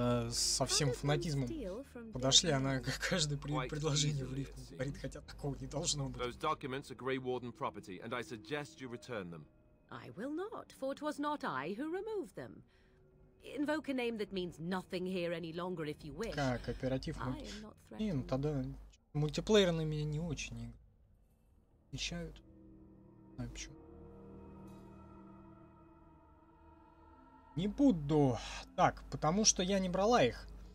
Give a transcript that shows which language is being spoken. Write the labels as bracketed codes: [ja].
[ru] Со всем фанатизмом подошли, она к каждому предложению в рифму говорит, хотя такого не должно быть. [en] Those documents are Grey Warden property, and I suggest you return them. I will not, for 'twas not I who removed them. Invoke a name that means nothing here any longer, if you wish. [ru] Как, оператив? Не, ну тогда мультиплеер на меня не очень обещают. Не знаю почему. Не буду. Так, потому что я не брала их.